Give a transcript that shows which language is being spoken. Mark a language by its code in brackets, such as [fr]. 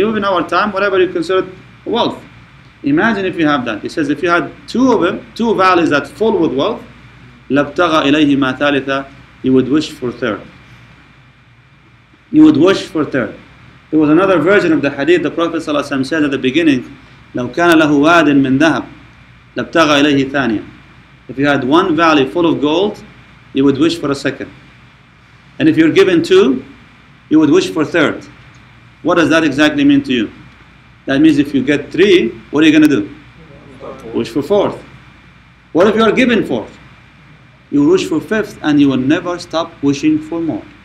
[en] Even our time, whatever you consider wealth. Imagine if you have that. He says, if you had two of them, two valleys that full with wealth, [ar] لَبْتَغَى إِلَيْهِ مَا ثَالِثَ. [en] You would wish for third. You would wish for third. There was another version of the hadith. The Prophet ﷺ said at the beginning, [ar] لَوْ كَانَ لَهُ وَادٍ مِنْ ذَهَبٍ لَبْتَغَى إِلَيْهِ ثَانِيًا. [en] If you had one valley full of gold, you would wish for a second. And if you're given two, you would wish for third. What does that exactly mean to you? That means if you get three, what are you going to do? Wish for fourth. What if you are given fourth? You wish for fifth and you will never stop wishing for more.